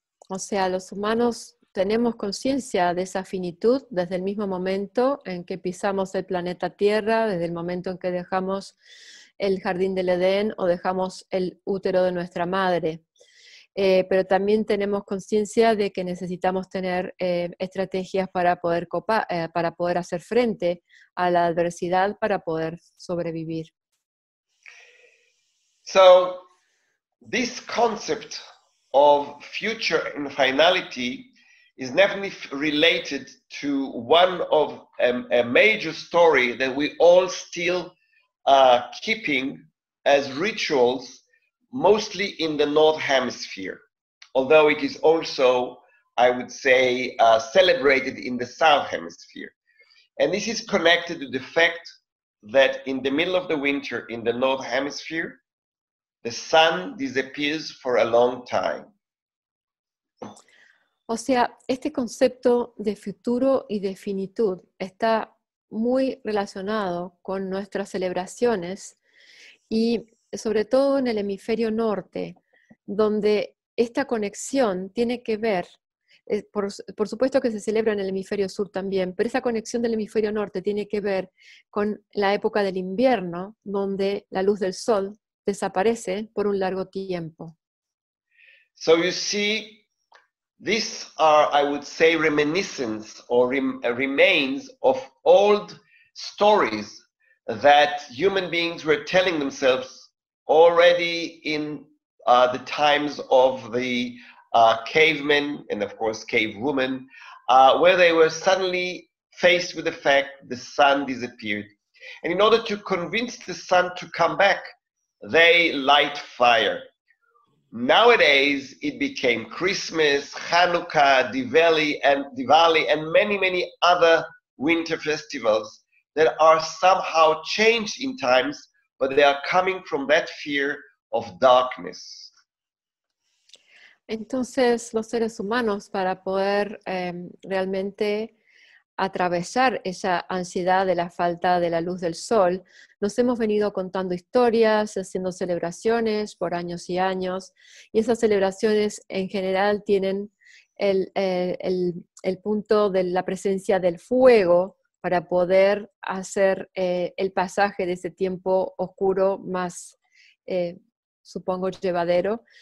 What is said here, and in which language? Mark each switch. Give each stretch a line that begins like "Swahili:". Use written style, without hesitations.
Spanish: O sea, los humanos tenemos conciencia de esa finitud desde el mismo momento en que pisamos el planeta Tierra, desde el momento en que dejamos el jardín del Edén o dejamos el útero de nuestra madre. Pero también tenemos conciencia de que necesitamos tener estrategias para poder para poder hacer frente a la adversidad para poder sobrevivir.
English: So, this concept of future and finality is definitely related to one of a major story that we all still are keeping as rituals, mostly in the North Hemisphere, although it is also, I would say, celebrated in the South Hemisphere. And this is connected to the fact that in the middle of the winter in the North Hemisphere, the sun disappears for a long time.
Spanish: O sea, este concepto de futuro y de finitud está muy relacionado con nuestras celebraciones, y sobre todo en el hemisferio norte, donde esta conexión tiene que ver, por supuesto que se celebra en el hemisferio sur también, pero esa conexión del hemisferio norte tiene que ver con la época del invierno, donde la luz del sol desaparece por un largo tiempo.
English: So you see, these are, I would say, reminiscence or remains of old stories that human beings were telling themselves already in the times of the cavemen and, of course, cavewomen, where they were suddenly faced with the fact the sun disappeared. And in order to convince the sun to come back, they light fire. Nowadays, it became Christmas, Hanukkah, Diwali, and many, many other winter festivals that are somehow changed in times, but they are coming from that fear of darkness.
Spanish: Entonces, los seres humanos, para poder realmente atravesar esa ansiedad de la falta de la luz del sol, nos hemos venido contando historias, haciendo celebraciones por años y años, y esas celebraciones en general tienen el punto de la presencia del fuego para poder hacer el pasaje de ese tiempo oscuro más supongo llevadero.